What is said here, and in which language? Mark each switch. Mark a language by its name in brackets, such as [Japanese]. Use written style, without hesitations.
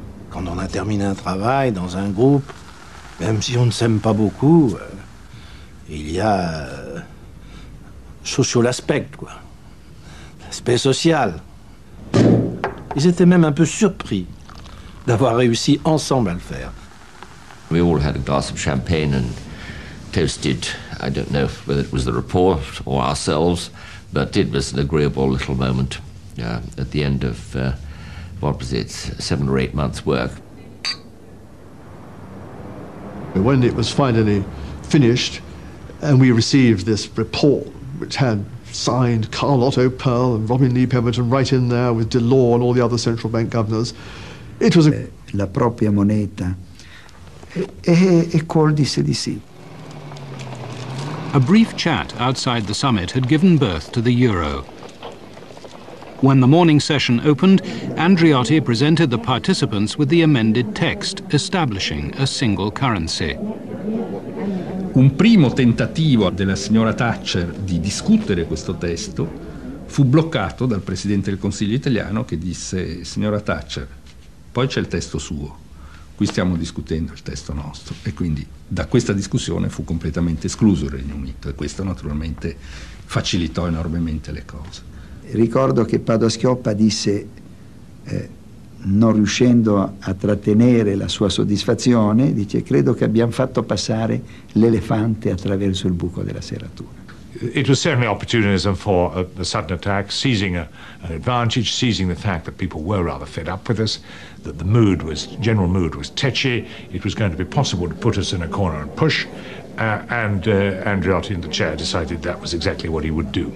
[French] Quand on a terminé un travail dans un groupe, même si on ne s'aime pas beaucoup, il y a [English] social aspect, [French] quoi. L'aspect social. Ils étaient même un peu surpris d'avoir réussi ensemble à le faire. [English] We all had a glass of champagne and toasted, I don't know whether it was the report or ourselves, but it was an agreeable little moment at the end of, what was it, 7 or 8 months' work. When it was finally finished and we received this report, which had signed Carl Otto Perl and Robin Lee Pemberton right in there with Delors and all the other central bank governors, it was a... [Italian] La propria moneta. E Cole disse di sì. [English] A brief chat outside the summit had given birth to the euro. When the morning session opened, Andreotti presented the participants with the amended text establishing a single currency. [Italian] Un primo tentativo della signora Thatcher di discutere questo testo fu bloccato dal presidente del Consiglio italiano, che disse: signora Thatcher, poi c'è il testo suo, qui stiamo discutendo il testo nostro. E quindi da questa discussione fu completamente escluso il Regno Unito, e questo naturalmente facilitò enormemente le cose. Ricordo che Padoa-Schioppa disse, non riuscendo a trattenere la sua soddisfazione, dice: credo che abbiamo fatto passare l'elefante attraverso il buco della serratura. [English] It was certainly opportunism for a sudden attack, seizing an advantage, seizing the fact that people were rather fed up with us, that the mood was, general mood was tetchy, it was going to be possible to put us in a corner and push, and Andreotti in the chair decided that was exactly what he would do.